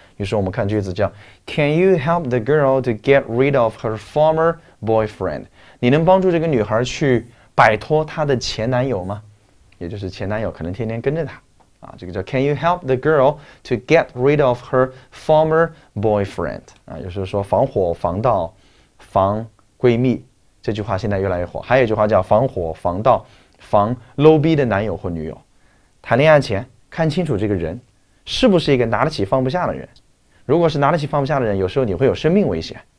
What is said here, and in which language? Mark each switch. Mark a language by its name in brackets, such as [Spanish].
[Chinese] 于是我们看句子叫 [English] ，Can you help the girl to get rid of her former boyfriend？ [Chinese] 你能帮助这个女孩去摆脱她的前男友吗？也就是前男友可能天天跟着她。啊，这个叫 [English] Can you help the girl to get rid of her former boyfriend？ [Chinese] 啊，有时候说防火防盗防闺蜜，这句话现在越来越火。还有一句话叫防火防盗防 low 逼的男友或女友。谈恋爱前看清楚这个人是不是一个拿得起放不下的人。如果是拿得起放不下的人，有时候你会有生命危险。